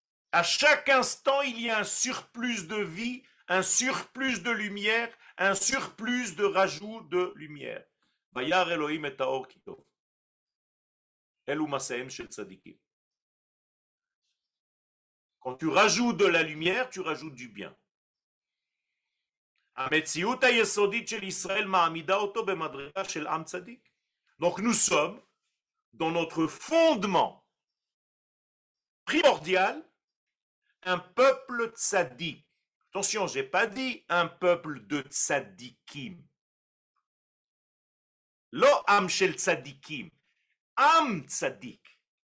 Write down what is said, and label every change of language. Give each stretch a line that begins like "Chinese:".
French: À chaque instant, il y a un surplus de vie, un surplus de lumière, un surplus de rajout de lumière.
Hebrew: Vayar Elohim et Taor Kitov. Elu Maseim Shel Tzadikim.
French: Quand tu rajoutes de la lumière, tu rajoutes du bien.
Hebrew: המציאות היסודית של ישראל מעמידה אותו במדרגה של עם צדיק.
French: Donc nous sommes dans notre fondement primordial un peuple tzaddik. Attention, j'ai pas dit un peuple de tzaddikim.
Hebrew: Lo am shel tzaddikim, am tzaddik.